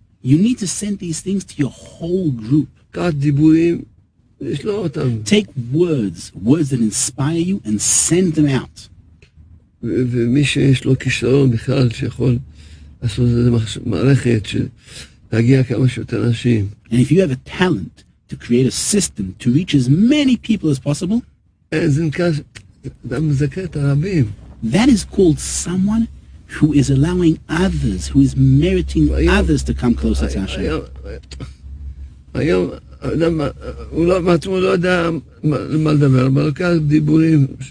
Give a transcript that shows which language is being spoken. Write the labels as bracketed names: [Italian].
[English] You need to send these things to your whole group. Take words, words that inspire you, and send them out. [Hebrew] ומי שיש לו כישרון בכלל שיכול לעשות את זה מערכת שתגיע כמה שיותר אנשים. [English] And if you have a talent to create a system to reach as many people as possible, that is called someone who is allowing others, who is meriting others to come closer to Hashem. [Hebrew] היום אדם, הוא לא מעצמו לא יודע מה לדבר, אבל לוקח דיבורים